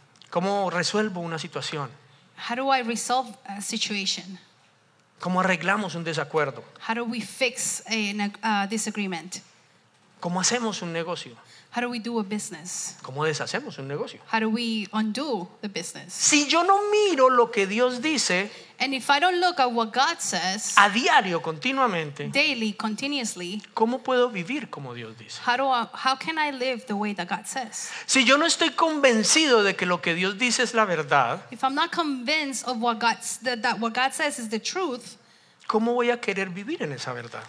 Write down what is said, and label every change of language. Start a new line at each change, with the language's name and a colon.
Spanish: ¿Cómo resuelvo una situación?
English: How do I resolve a situation?
Spanish: ¿Cómo arreglamos un desacuerdo?
English: How do we fix a disagreement?
Spanish: ¿Cómo hacemos un negocio?
English: How do we do a business?
Spanish: ¿Cómo deshacemos un negocio?
English: How do we undo the business?
Spanish: Si yo no miro lo que Dios dice,
English: and if I don't look at what God says,
Spanish: a diario, continuamente,
English: daily, continuously,
Spanish: ¿cómo puedo vivir como Dios dice?
English: How can I live the way that God says?
Spanish: Si yo no estoy convencido de que lo que Dios dice es la verdad,
English: if I'm not convinced of that what God says is the truth,
Spanish: ¿cómo voy a querer vivir en esa verdad?